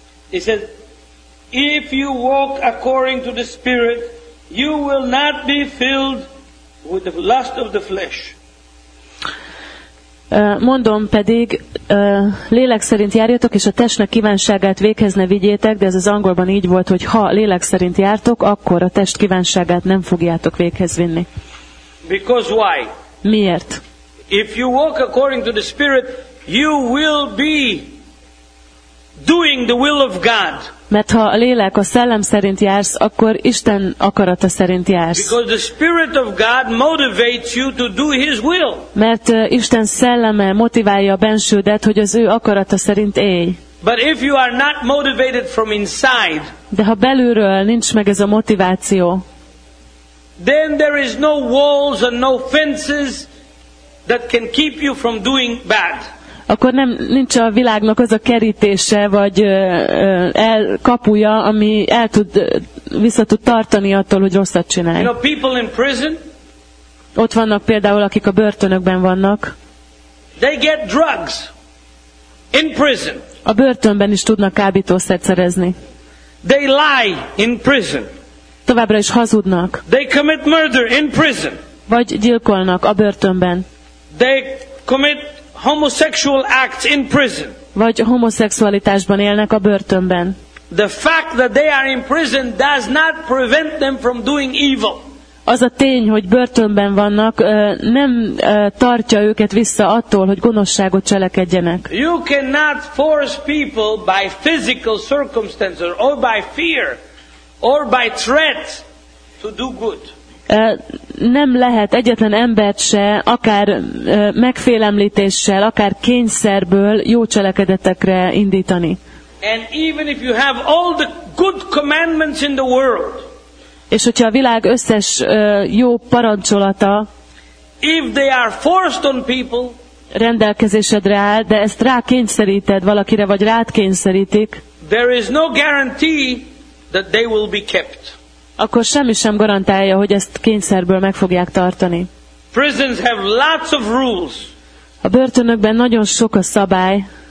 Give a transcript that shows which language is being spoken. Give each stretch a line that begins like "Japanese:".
English: It says, if you walk according to the Spirit, you will not be filled with the lust of the flesh.
Hungarian: Mondom pedig, lélek szerint járjatok, és a testnek kívánságát véghez ne vigyétek, de ez az angolban így volt, hogy ha lélek szerint jártok, akkor a test kívánságát nem fogjátok véghez vinni.
English: Because why?
Hungarian: Miért?
English: If you walk according to the Spirit, you will be doing the will of God.
Hungarian: Mert ha a lélek a szellem szerint jársz, akkor Isten akarata szerint jársz.
English: Because the Spirit of God motivates you to do His will.
Hungarian: Mert Isten szelleme motiválja a bensődet, hogy az ő akarata szerint élj.
English: But if you are not motivated from inside,
Hungarian: de ha belülről nincs meg ez a motiváció,
English: then there is no walls and no fences that can keep you from doing bad.
Hungarian: Akkor nem nincs a világnak az a kerítése vagy kapuja, ami vissza tud tartani attól, hogy rosszat csinálj.
English: You know, people in prison,
Hungarian: ott vannak például, akik a börtönökben vannak.
English: They get drugs in prison.
Hungarian: A börtönben is tudnak kábítószert szerezni.
English: They lie in prison.
Hungarian: Továbbra is hazudnak.
English: They commit murder in prison.
Hungarian: Vagy gyilkolnak a börtönben.
English: They commit homosexual acts in prison.
Hungarian: Vagy homoszexualitásban élnek a börtönben.
English: The fact that they are in prison does not prevent them from doing evil.
Hungarian: Az a tény, hogy börtönben vannak, nem tartja őket vissza attól, hogy gonoszságot cselekedjenek.
English: You cannot force people by physical circumstances or by fear or by threat to do good.
Hungarian: Nem lehet egyetlen embert se, akár megfélemlítéssel, akár kényszerből jó cselekedetekre indítani.
English: And even if you have all the good commandments in the world,
Hungarian: és hogyha a világ összes jó parancsolata,
English: if they are forced on people,
Hungarian: rendelkezésedre áll, de ezt rá kényszeríted valakire, vagy rád kényszerítik,
English: there is no guarantee that they will be kept.
Hungarian: Akkor semmi sem garantálja, hogy ezt kényszerből meg fogják tartani.
English: Prisons have lots of rules.
Hungarian: A börtönökben nagyon sok a szabály.